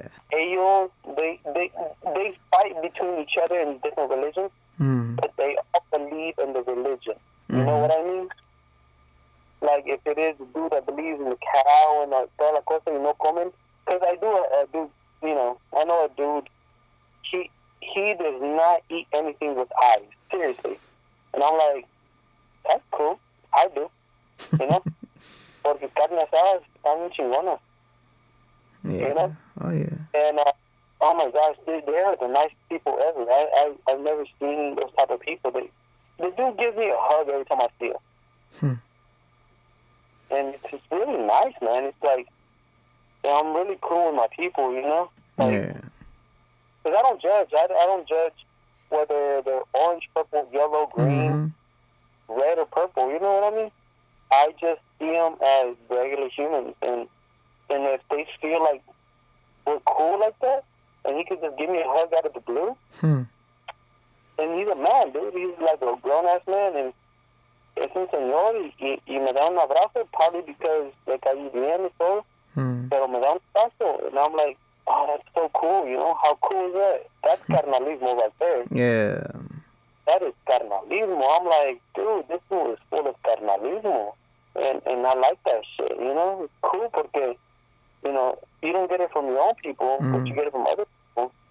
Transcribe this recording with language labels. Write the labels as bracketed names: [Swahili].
[English] They fight between each other in different religions, but they all believe in the religion. You know what I mean? Like, if it is a dude that believes in the cow and [Spanish] toda la cosa y no comen, [English] because I do a dude, you know, I know a dude, he does not eat anything with eyes, seriously. And I'm like, that's cool. I do, you know? [Spanish] Porque carne asada está muy chingona. [English] Yeah. You know? Oh yeah. And oh my gosh, they are the nicest people ever. I've never seen those type of people. But the dude gives me a hug every time I see him. And it's just really nice, man. It's like, you know, I'm really cool with my people, you know? Like, yeah. Because I don't judge. I don't judge whether they're orange, purple, yellow, green, red, or purple. You know what I mean? I just see them as regular humans. And if they feel like we're cool like that, and he could just give me a hug out of the blue, and he's a man, dude. He's like a grown-ass man. [Spanish] And es un señor, y me da un abrazo, [English] probably because [Spanish] le caí bien y todo, pero me da un abrazo. [English] And I'm like, oh, that's so cool, you know? How cool is that? That's carnalismo right there. Yeah. That is carnalismo. I'm like, dude, this dude is full of carnalismo. And I like that shit, you know? It's cool porque... You know, you don't get it from your own people, but you get it from other people.